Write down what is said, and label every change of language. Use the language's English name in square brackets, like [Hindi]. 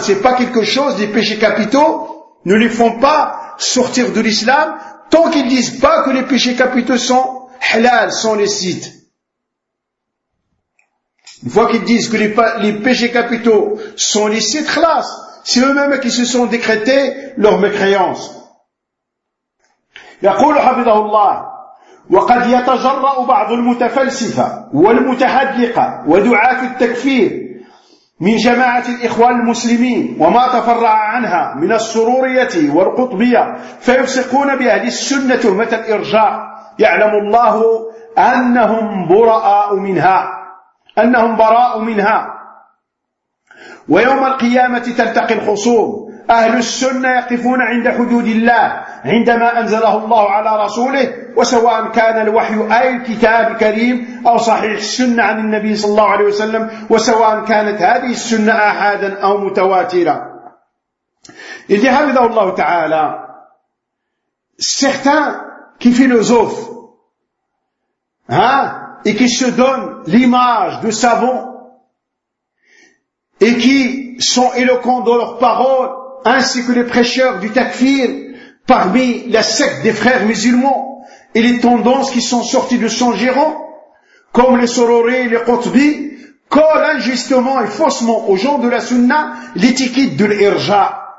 [French] C'est pas quelque chose, des péchés capitaux ne les font pas sortir de l'islam tant qu'ils disent pas que les péchés capitaux sont halal, sont licites. Une fois qu'ils disent que les péchés capitaux sont licites, khlas, c'est eux-mêmes qui se sont décrétés leur mécréance. [Arabic] يقول حفظه الله وقد يتجرأ بعض المتفلسفة والمتحدقة ودعاة التكفير من جماعة الإخوان المسلمين وما تفرع عنها من السرورية والقطبية فيفسقون بأهل السنة تهمة الإرجاء يعلم الله أنهم براء منها أنهم براء منها ويوم القيامة تلتقي الخصوم أهل السنة يقفون عند حدود الله عندما أنزله الله على رسوله وسواء كان الوحي أي الكتاب الكريم أو صحيح السنة عن النبي صلى الله عليه وسلم وسواء كانت هذه السنة آحادا أو متواترة. [French] Il dit [Arabic] حفظه الله تعالى [French] certains qui philosophes hein, et qui se donnent l'image de savants et qui sont éloquents dans leurs paroles ainsi que les prêcheurs du takfir parmi la secte des frères musulmans et les tendances qui sont sorties de son giron, comme les Sorori et les Qutbi, collent injustement et faussement aux gens de la sunna l'étiquette de l'irja.